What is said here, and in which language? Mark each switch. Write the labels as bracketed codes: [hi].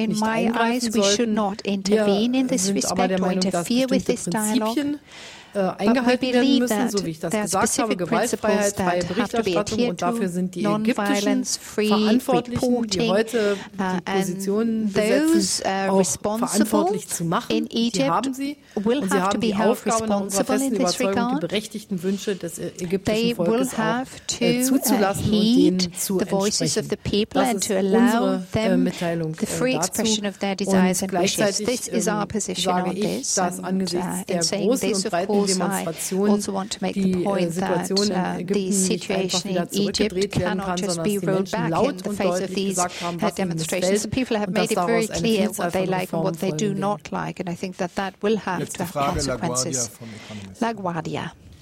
[en] in my eyes we should not intervene in this respect or interfere with this dialogue. [de] Eingehalten werden müssen, so wie ich das gesagt habe, Gewaltfreiheit, freie Berichterstattung und dafür sind die Ägyptischen Verantwortlichen, die heute die Positionen besetzen, auch verantwortlich zu machen. Sie haben sie und sie haben die Aufgabe nach unserer festen Überzeugung, die berechtigten Wünsche des ägyptischen Volkes auch zuzulassen und ihnen zu entsprechen. Das ist unsere Mitteilung dazu. Und gleichzeitig sage ich, dass angesichts der großen und breiten [en] I also want to make the point that the situation in Egypt cannot just be rolled back in the face of these demonstrations. The people have made it very clear what they like and what they do not like, and I think that that will have to have consequences. LaGuardia.